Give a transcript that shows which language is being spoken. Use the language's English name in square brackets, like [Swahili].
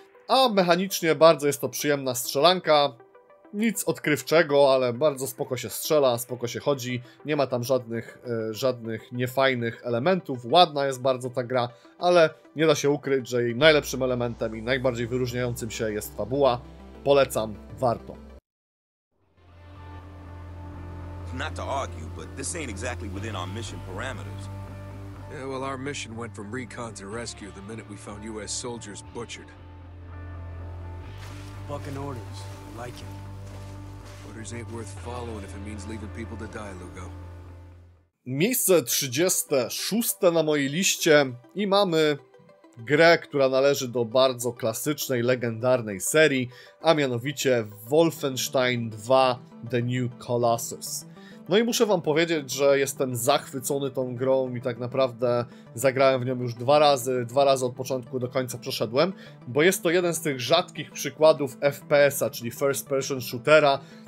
[Polish] A mechanicznie bardzo jest to przyjemna strzelanka. Nic odkrywczego, ale bardzo spoko się strzela, spoko się chodzi. Nie ma tam żadnych niefajnych elementów. Ładna jest bardzo ta gra, ale nie da się ukryć, że jej najlepszym elementem i najbardziej wyróżniającym się jest fabuła. Polecam, warto. [English] Not to argue, but this ain't exactly within our mission parameters. Yeah, well, our mission went from recon to rescue the minute we found U.S. soldiers butchered. Fucking orders. I like it. Orders ain't worth following if it means leaving people to die, Lugo. [Polish] Miejsce 36 na mojej liście i mamy grę, która należy do bardzo klasycznej, legendarnej serii, a mianowicie Wolfenstein 2 The New Colossus. No i muszę wam powiedzieć, że jestem zachwycony tą grą i tak naprawdę zagrałem w nią już dwa razy od początku do końca przeszedłem, bo jest to jeden z tych rzadkich przykładów FPS-a, czyli first person shootera